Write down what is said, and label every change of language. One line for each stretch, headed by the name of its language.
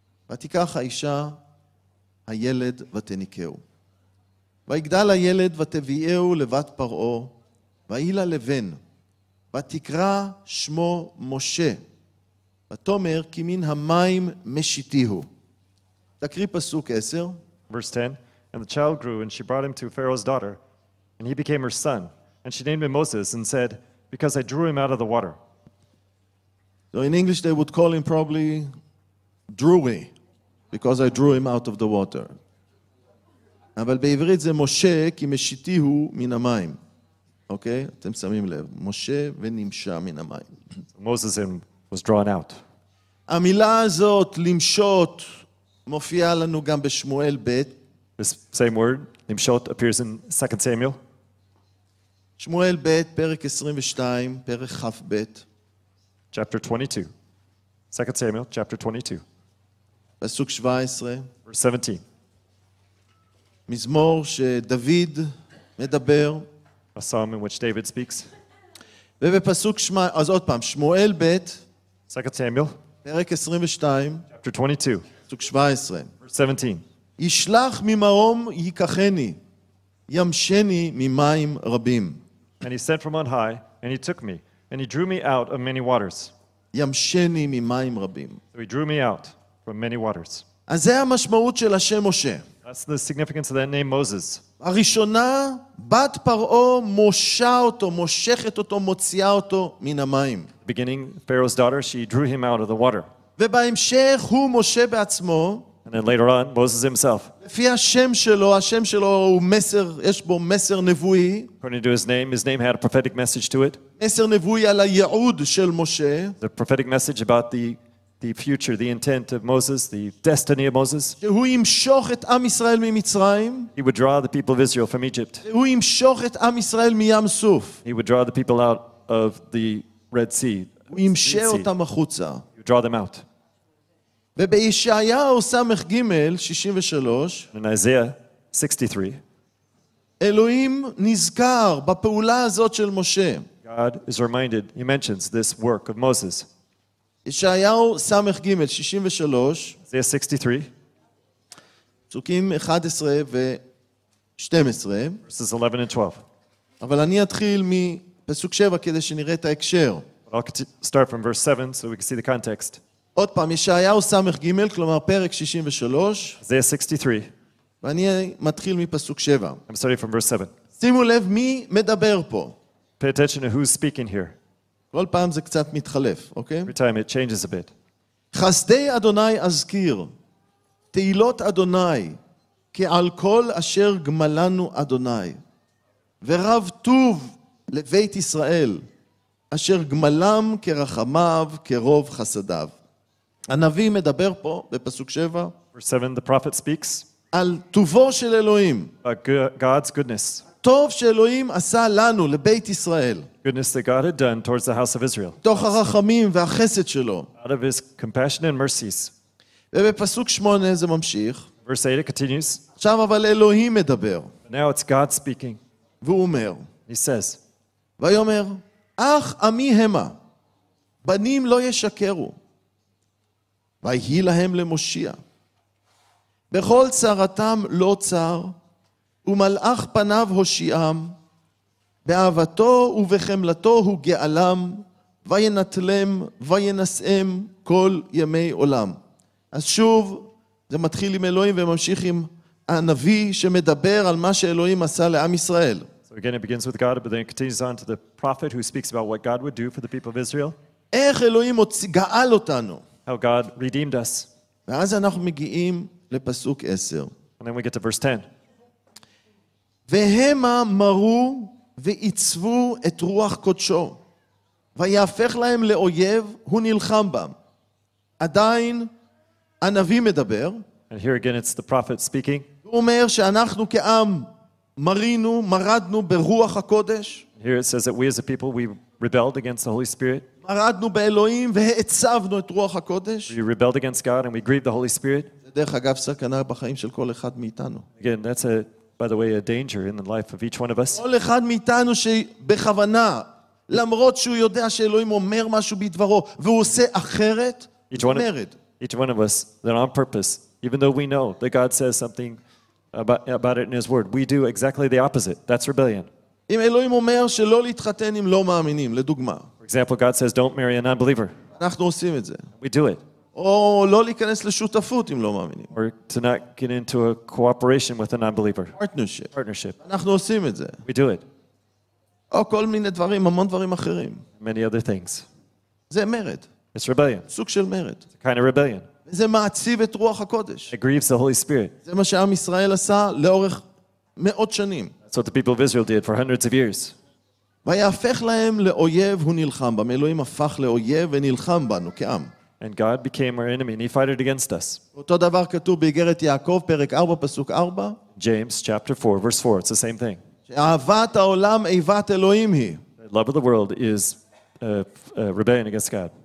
Hebrew: ותיקח האישה, הילד ותניקהו. ויגדל הילד ותביאהו לבת פרעה, ואילה לבן, ותקרא שמו משה, ותאמר כי מן המים משיתיהו. תקריא פסוק 10.
English: Verse 10. And the child grew, and she brought him to Pharaoh's daughter, and he became her son. And she named him Moses, and said, because I drew him out of the water. So in English they would call him probably Drewy, because I drew him out of the water.
Hebrew: אבל בעברית זה משה, כי משיתיהו מן המים. אוקיי? אתם שמים לב. משה ונמשה מן המים.
English: Moses was drawn out.
Hebrew: המילה הזאת, למשות, מופיעה לנו גם בשמואל ב'.
English: This same word, למשות, appears in 2 Samuel.
Hebrew: שמואל ב', פרק 22, פרק חף ב'.
English: Chapter 22. 2 Samuel, chapter 22.
Hebrew: פסוק 17.
English: Verse 17.
Hebrew: מזמור שדוד מדבר.
English: A psalm in which David speaks.
Hebrew: ובפסוק אז עוד פעם, שמואל ב',
English: 2 Samuel,
Hebrew: פרק 22,
English: chapter 22,
Hebrew: פסוק 17,
English: verse 17.
Hebrew: ישלח ממרום ייקחני, ימשני ממים רבים.
English: And he sent from on high, and he took me, and he drew me out of many waters.
Hebrew: ימשני ממים רבים.
English: So he drew me out from many waters.
Hebrew: אז זה המשמעות של השם משה.
English: That's the significance of that name, Moses.
Hebrew: הראשונה, בת פרעה מושה אותו, מושכת אותו, מוציאה אותו מן המים.
English: Beginning, Pharaoh's daughter, she drew him out of the water.
Hebrew: ובהמשך, הוא משה בעצמו.
English: And then later on, Moses himself.
Hebrew: לפי השם שלו הוא מסר, יש בו מסר נבואי.
English: According to his name had a prophetic message to it.
Hebrew: מסר נבואי על הייעוד של משה.
English: The prophetic message about the future, the intent of Moses, the destiny of Moses.
Hebrew: הוא ימשוך את עם ישראל ממצרים.
English: He would draw the people of Israel from Egypt.
Hebrew: הוא ימשוך את עם ישראל מים סוף.
English: He would draw the people out of the Red Sea.
Hebrew: הוא ימשוך אותם החוצה.
English: He would draw them out.
Hebrew: ובישעיהו סמך ג' 63.
English: In Isaiah 63.
Hebrew: אלוהים נזכר בפעולה הזאת של משה.
English: God is reminded, he mentions this work of Moses.
Hebrew: ישעיהו סמך ג' 63. זה 63. פסוקים 11 ו-12.
English: Verses 11 and 12.
Hebrew: אבל אני אתחיל מפסוק 7 כדי שנראה את ההקשר.
English: I'll start from verse 7 so we can see the context.
Hebrew: עוד פעם, ישעיהו סמך ג' כלומר פרק 63. זה 63. ואני מתחיל מפסוק 7.
English: I'm starting from verse 7.
Hebrew: שימו לב מי מדבר פה.
English: Pay attention to who's speaking here.
Hebrew: כל פעם זה קצת מתחלף, אוקיי?
English: Every time it changes a bit.
Hebrew: חסדי אדוני אזכיר, תהילות אדוני, כעל כל אשר גמלנו אדוני, ורב טוב לבית ישראל, אשר גמלם כרחמיו, כרוב חסדיו. הנביא מדבר פה, בפסוק 7,
English: Verse 7, the prophet speaks,
Hebrew: על טובו של אלוהים.
English: God's goodness.
Hebrew: טוב שאלוהים עשה לנו, לבית ישראל.
English: Goodness that God had done towards the house of Israel.
Hebrew: תוך הרחמים והחסד שלו.
English: Out of his compassion and mercies.
Hebrew: ובפסוק 8 זה ממשיך.
English: Verse 8 it continues.
Hebrew: עכשיו אבל אלוהים מדבר.
English: Now it's God speaking.
Hebrew: והוא אומר.
English: He says.
Hebrew: ויאמר, אך עמי המה, בנים לא ישקרו. ויהי להם למושיע. בכל צרתם לא צר. ומלאך פניו הושיעם, באהבתו ובחמלתו הוא גאלם, וינטלם וינשאם כל ימי עולם. אז שוב, זה מתחיל עם אלוהים וממשיך עם הנביא שמדבר על מה שאלוהים עשה לעם ישראל.
English: So again it begins with God, but then it continues on to the prophet who speaks about what God would do for the people of Israel.
Hebrew: איך אלוהים גאל אותנו.
English: How God redeemed us.
Hebrew: ואז אנחנו מגיעים לפסוק 10.
English: And then we get to verse 10.
Hebrew: והמה מרו ועיצבו את רוח קודשו, ויהפך להם לאויב, הוא נלחם בם. עדיין הנביא מדבר.
English: And here again it's the prophet speaking.
Hebrew: הוא אומר שאנחנו כעם מרינו, מרדנו ברוח הקודש.
English: Here it says that we as a people, we rebelled against the Holy Spirit.
Hebrew: מרדנו באלוהים והעצבנו את רוח הקודש.
English: We rebelled against God and we grieved the Holy Spirit.
Hebrew: זה דרך אגב סכנה בחיים של כל אחד מאיתנו.
English: Again, that's a... by the way, a danger in the life of each one of us.
Hebrew: כל אחד מאיתנו שבכוונה, למרות שהוא יודע שאלוהים אומר משהו בדברו, והוא עושה אחרת,
English: each one of us, that on purpose, even though we know that God says something about it in his word. We do exactly the opposite. That's rebellion.
Hebrew: אם אלוהים אומר שלא להתחתן עם לא מאמינים, לדוגמה.
English: For example, God says don't marry a non-believer.
Hebrew: אנחנו עושים את זה.
English: We do it.
Hebrew: או לא להיכנס לשותפות עם לא מאמינים.
English: Or to not get into a cooperation with a non-believer.
Hebrew: Partnership. אנחנו עושים את זה.
English: We do it.
Hebrew: או כל מיני דברים, המון דברים אחרים.
English: Many other things.
Hebrew: זה מרד.
English: It's rebellion.
Hebrew: סוג של מרד.
English: It's a kind of rebellion.
Hebrew: זה מעציב את רוח הקודש.
English: It grieves the Holy Spirit.
Hebrew: זה מה שעם ישראל עשה לאורך מאות שנים.
English: That's what the people of Israel did for hundreds of years.
Hebrew: ויהפך להם לאויב ונלחם בם. אלוהים הפך לאויב ונלחם בנו כעם.
English: And God became our enemy and he fought against us.
Hebrew: אותו דבר כתוב באיגרת יעקב פרק 4 פסוק 4.
English: James chapter 4 verse 4. It's the same thing.
Hebrew: אהבת העולם אהבת אלוהים היא.
English: The love of the world is rebellion against God.